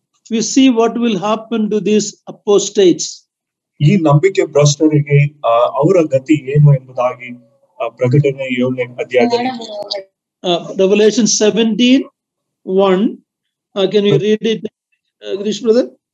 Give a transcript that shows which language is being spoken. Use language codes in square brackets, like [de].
[en] we see what will happen to these apostates. [kn] ಈ ನಂಬಿಕೆ ಭ್ರಷ್ಟರಿಗೆ ಅವರ ಗತಿ ಏನು ಎಂಬುದಾಗಿ ಪ್ರಕಟಣೆ 7ನೇ ಅಧ್ಯಾಯದಲ್ಲಿ, [en] Revelation 17:1, can you read it, Girish brother?